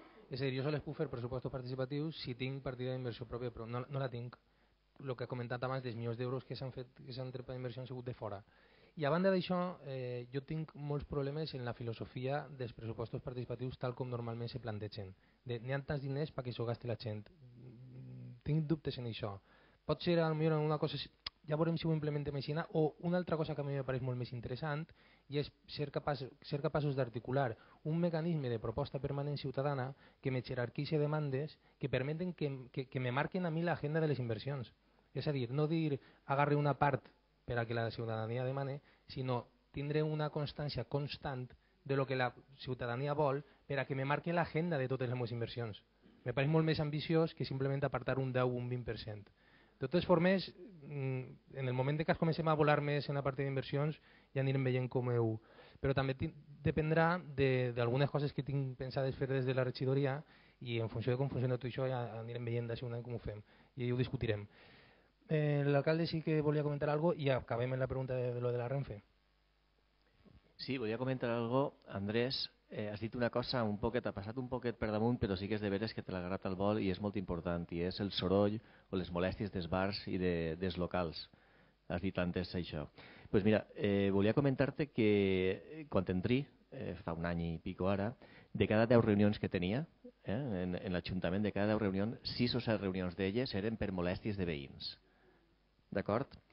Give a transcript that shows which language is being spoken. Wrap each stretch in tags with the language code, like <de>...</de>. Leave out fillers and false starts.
<es>Es decir, yo solo les puedo hacer presupuestos participativos si tengo partida de inversión propia, pero no la tengo. Lo que ha comentado más de millones de euros que se han trepado de inversión han sido de fuera. Y a banda de eso, yo tengo muchos problemas en la filosofía de los presupuestos participativos tal como normalmente se plantean. Ni hay tantos dineros para que eso gaste la gente.</es> <ca>Tinc dubtes en això. Pot ser,</ca> <es>a lo mejor,</es> <ca>una cosa, ja veurem si ho implementem així, o una altra cosa que a mi me pareix molt més interessant i és ser capaços d'articular un mecanisme de proposta permanent ciutadana que me jerarquice demandes que permeten que me marquen a mi l'agenda de les inversions. És a dir, no dir agarre una part per a que la ciutadania demane, sinó tindre una constància constant de lo que la ciutadania vol per a que me marquin l'agenda de totes les meves inversions. Me pareix molt més ambiciós que simplement apartar un 10 o un 20%. De totes formes, en el moment que comencem a volar més en la part d'inversions, ja anirem veient com heu. Però també dependrà d'algunes coses que tinc pensades fer des de la regidoria i en funció de com funciona tot això ja anirem veient d'això un any com ho fem i ho discutirem. L'alcalde sí que volia comentar algo i acabem amb la pregunta de lo de la Renfe. Sí, volia comentar algo, Andrés. Has dit una cosa un poquet, ha passat un poquet per damunt, però sí que és de veres que te l'ha agarrat al vol i és molt important, i és el soroll o les molèsties dels bars i dels locals. Has dit antes això. Pues mira, volia comentar-te que quan entri, fa un any i pico ara, de cada 10 reunions que tenia en l'Ajuntament, de cada 10 reunions, 6 o 7 reunions d'elles eren per molèsties de veïns. D'acord?</ca>